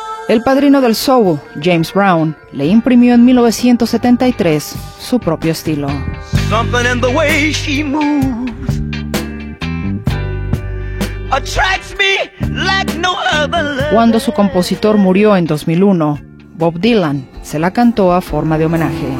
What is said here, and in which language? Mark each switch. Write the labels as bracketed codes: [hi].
[es] El padrino del soul, James Brown, le imprimió en 1973 su propio estilo. [en] Something in the way she moves attracts me like no other. [es] Cuando su compositor murió en 2001, Bob Dylan se la cantó a forma de homenaje.